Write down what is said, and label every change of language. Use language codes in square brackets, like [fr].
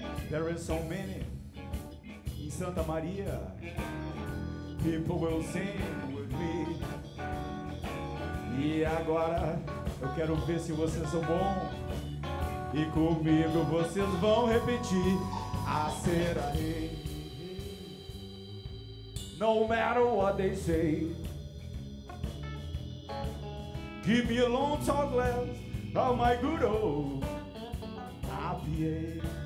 [en] There is so many in Santa Maria. People will sing with me. [pt] E agora eu quero ver se vocês são bons. E comigo vocês vão repetir. [en] A cera, hey, no matter what they say, give me a long tall glass of my good old IPA.